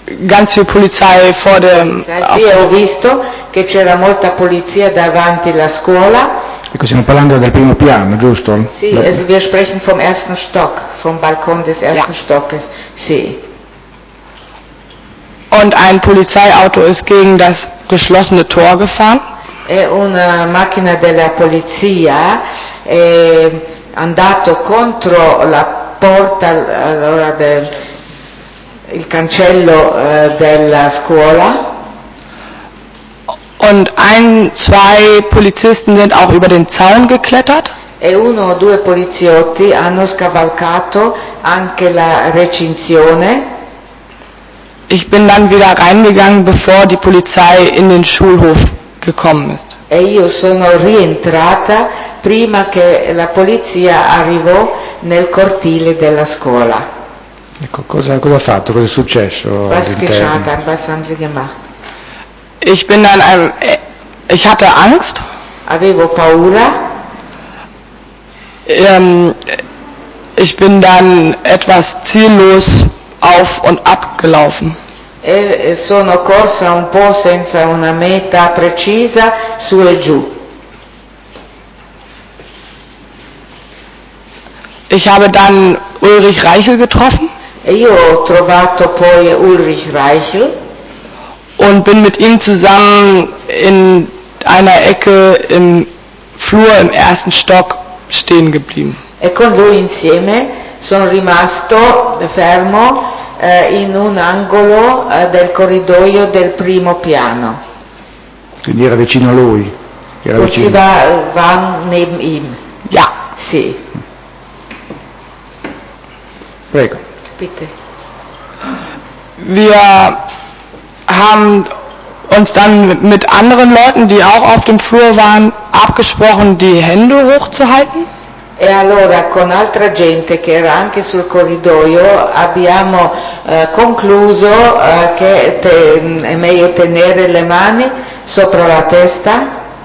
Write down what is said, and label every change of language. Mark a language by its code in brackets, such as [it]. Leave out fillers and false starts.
[de] Ganz viel Polizei vor dem... [it] Sì, ho visto che c'era molta polizia davanti la scuola. Ecco, stiamo parlando del primo piano, giusto? [de] Sì, wir sprechen vom ersten Stock, vom Balkon des ersten Stockes. [it] Sì. [de] Und ein Polizeiauto ist gegen das geschlossene Tor gefahren. [it] E una macchina della polizia è andato contro la porta, allora il cancello della scuola. [de] Und zwei Polizisten sind auch über den Zaun geklettert. [it] E uno o due poliziotti hanno scavalcato anche la recinzione. [de] Ich bin dann wieder reingegangen, bevor die Polizei in den Schulhof gekommen ist. [it] E io sono rientrata prima che la polizia arrivò nel cortile della scuola. Ecco, cosa ha fatto? Cosa è successo? [de] Was haben Sie gemacht? Ich bin dann ich hatte Angst. [it] Avevo paura. [de] Ich bin dann etwas ziellos auf und abgelaufen. [it] E sono corsa un po' senza una meta precisa su e giù. [de] Ich habe dann Ulrich Reichel getroffen. [it] E io ho trovato poi Ulrich Reichel. [de] Und bin mit ihm zusammen in einer Ecke im Flur im ersten Stock stehen geblieben. [it] E con lui insieme sono rimasto fermo in un angolo del corridoio del primo piano. Quindi era vicino a lui. Era vicino. Si va [de] neben ihm. Ja. [it] Sì. Prego. [de] Bitte. Wir haben uns dann mit anderen Leuten, die auch auf dem Flur waren, abgesprochen, die Hände hochzuhalten. [it] E allora con altra gente che era anche sul corridoio abbiamo concluso che è meglio tenere le mani sopra la testa.